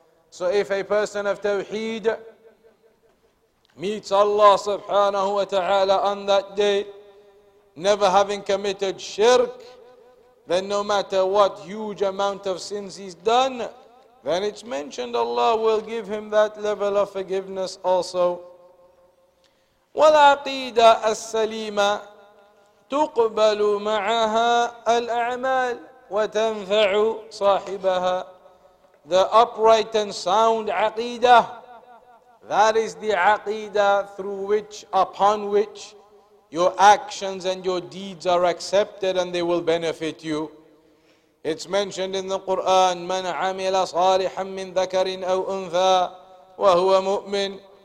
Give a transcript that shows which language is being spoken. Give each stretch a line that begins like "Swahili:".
English: So if a person of Tawheed meets Allah subhanahu wa ta'ala on that day, never having committed shirk, then no matter what huge amount of sins he's done, then it's mentioned Allah will give him that level of forgiveness also.
Arabic: والعقيدة السليمة تقبل معها الأعمال وتنفع صاحبها.
English: The upright and sound aqidah, That is the aqidah through which, upon which, your actions and your deeds are accepted and they will benefit you. It's mentioned in the Quran,
Arabic: مَنْ عَمِلَ صَالِحًا مِّنْ ذَكَرٍ أَوْ أُنْثَىٰ وَهُوَ مُؤْمِنٍ.